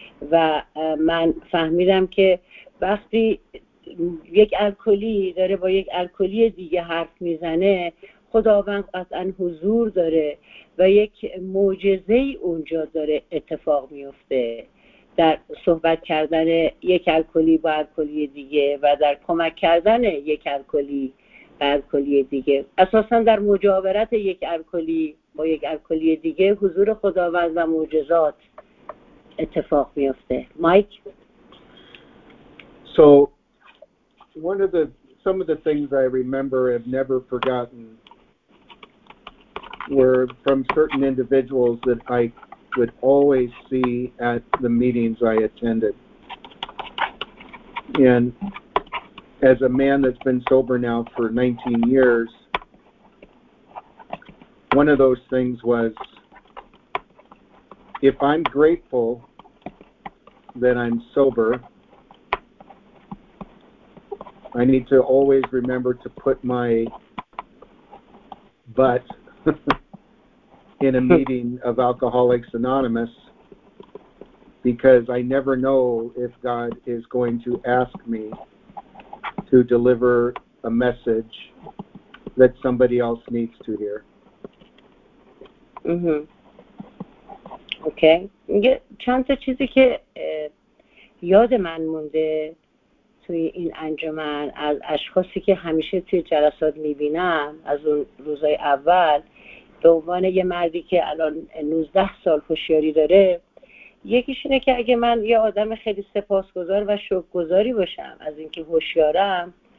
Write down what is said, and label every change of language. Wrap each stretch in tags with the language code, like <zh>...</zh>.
<fa>و من فهمیدم که وقتی یک الکلی داره با یک الکلی دیگه حرف میزنه، خداوند قطعا حضور داره و یک معجزه اونجا داره اتفاق میفته در صحبت کردن یک الکلی با الکلی دیگه و در کمک کردن یک الکلی با الکلی دیگه. اساسا در مجاورت یک الکلی با یک الکلی دیگه حضور خداوند و معجزات اتفاق میفته. مایک.</fa> <en>So some of the things I remember have never forgotten were from certain individuals that I would always see at the meetings I attended. And as a man that's been sober now for 19 years, one of those things was, if I'm grateful that I'm sober, I need to always remember to put my butt in a meeting of Alcoholics Anonymous, because I never know if God is going to ask me to deliver a message that somebody else needs to hear. Mm-hmm. Okay.</en> <fa>چند تا چیزی که یاد من مونده توی این انجمن از اشخاصی که همیشه توی جلسات میبینم از اون روزای اول، به عنوان یه مردی که الان 19 سال هوشیاری داره، یکیش اینه که اگه من یه آدم خیلی سپاسگزار و شکرگزاری باشم از اینکه هوشیارم،</fa>